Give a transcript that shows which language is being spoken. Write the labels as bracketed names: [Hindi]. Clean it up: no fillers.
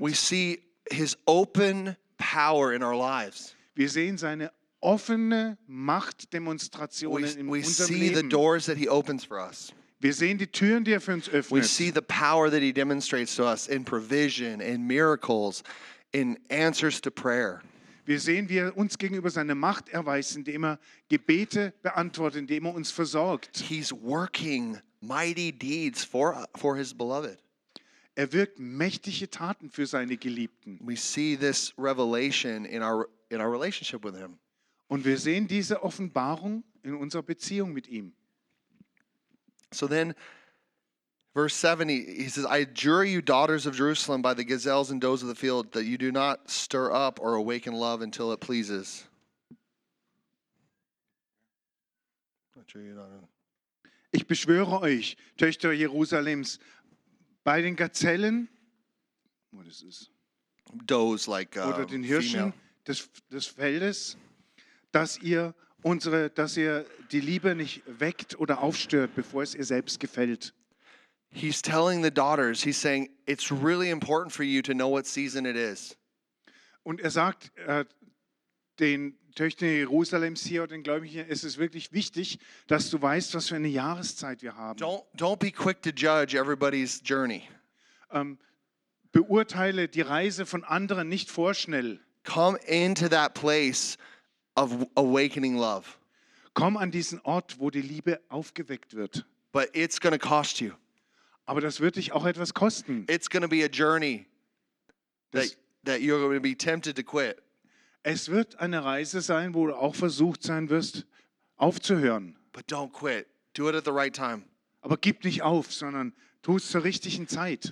[English] We see his open power in our lives. [German] Wir sehen seine offene Machtdemonstrationen in unserem Leben. [English] We see the doors that he opens for us. [German] Wir sehen die Türen, die er für uns öffnet. [English] We see the power that he demonstrates to us in provision, in miracles, in answers to prayer. [German] Wir sehen, wie er uns gegenüber seine Macht erweist, indem er Gebete beantwortet, indem er uns versorgt. [English] He's working mighty deeds for his beloved. [German] Er wirkt mächtige Taten für seine Geliebten. [English] We see this revelation in our relationship with him. [German] Und wir sehen diese Offenbarung in unserer Beziehung mit ihm. [English] So then, verse 7, he says, I adjure you, daughters of Jerusalem, by the gazelles and does of the field, that you do not stir up or awaken love until it pleases. [German] Ich beschwöre euch, Töchter Jerusalems, bei den Gazellen, [English] what is this? Does, like female. [German] Oder den Hirschen des Feldes, dass ihr die Liebe nicht weckt oder aufstört, bevor es ihr selbst gefällt. [English] He's telling the daughters, he's saying, it's really important for you to know what season it is. [German] Und er sagt den Töchtern Jerusalems hier und den Gläubigen, es ist wirklich wichtig, dass du weißt, was für eine Jahreszeit wir haben. [English] Don't be quick to judge everybody's journey. [German] Beurteile die Reise von anderen nicht vorschnell. [English] Come into that place of awakening love. [German] Komm an diesen Ort, wo die Liebe aufgeweckt wird. [English] But it's going to cost you. [German] Aber das wird dich auch etwas kosten. [English] It's going to be a journey that you're going to be tempted to quit. [German] Es wird eine Reise sein, wo du auch versucht sein wirst, aufzuhören. [English] But don't quit. Do it at the right time. [German] Aber gib nicht auf, sondern tu es zur richtigen Zeit.